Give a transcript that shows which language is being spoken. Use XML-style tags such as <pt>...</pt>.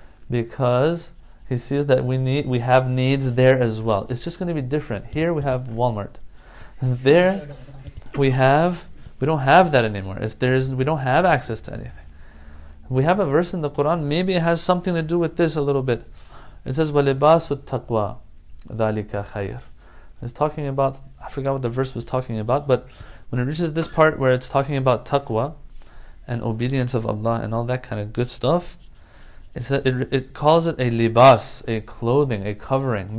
<en>Because he sees that we have needs there as well. It's just going to be different. Here we have Walmart. There we don't have that anymore. We don't have access to anything. We have a verse in the Quran, maybe it has something to do with this a little bit. It says,</en> <ar>وَلِبَاسُ التَّقْوَى ذَلِكَ خَيْرٌ.</ar> <en>It's talking about, I forgot what the verse was talking about, but when it reaches this part where it's talking about taqwa and obedience of Allah and all that kind of good stuff, it calls it a libas, a clothing, a covering.</en>